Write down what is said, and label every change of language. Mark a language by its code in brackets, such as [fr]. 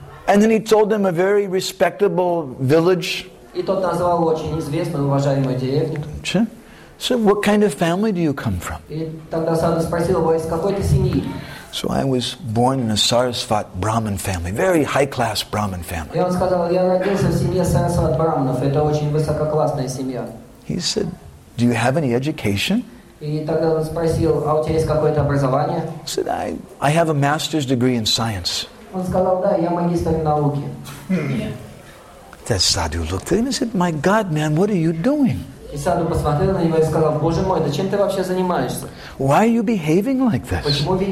[en] And then he told him a very respectable village. [ru] И тот назвал очень известную, уважаемую деревню. [en] So, what kind of family do you come from? [ru] И тогда сразу спросил его, из какой ты семьи? [en] So, I was born in a Sarasvat Brahmin family, very high-class Brahmin family. [ru] И он сказал, я родился в семье Сарасват Брахманов, это очень высококлассная семья. [en] He said, do you have any education? [ru] И тогда он спросил, а у тебя есть какое-то образование? [en] He said, I have a master's degree in science. [ru] Он сказал, да, я магистр науки. [en] That sadhu looked at him and said, "My God, man, what are you doing? Why are you behaving like this?"